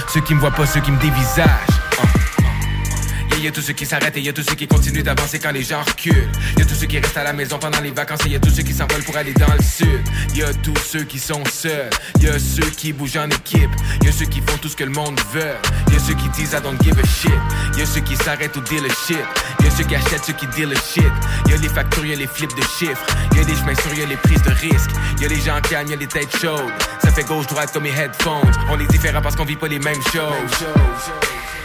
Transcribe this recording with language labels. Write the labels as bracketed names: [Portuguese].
[French] Ceux qui me voient pas, ceux qui me dévisagent. Y'a tous ceux qui s'arrêtent et y'a tous ceux qui continuent d'avancer quand les gens reculent. Y'a tous ceux qui restent à la maison pendant les vacances et y'a tous ceux qui s'envolent pour aller dans le sud. Y'a tous ceux qui sont seuls. Y'a ceux qui bougent en équipe. Y'a ceux qui font tout ce que le monde veut. Y'a ceux qui disent [English] I don't give a shit. [French] Y'a ceux qui s'arrêtent au dealership. Y'a ceux qui achètent ceux qui deal le shit. Y'a les factures, y'a les flips de chiffres. Y'a les chemins sûrs, y'a les prises de risques. Y'a les gens calmes, y'a les têtes chaudes. Ça fait gauche-droite comme mes headphones. On est différents parce qu'on vit pas les mêmes choses.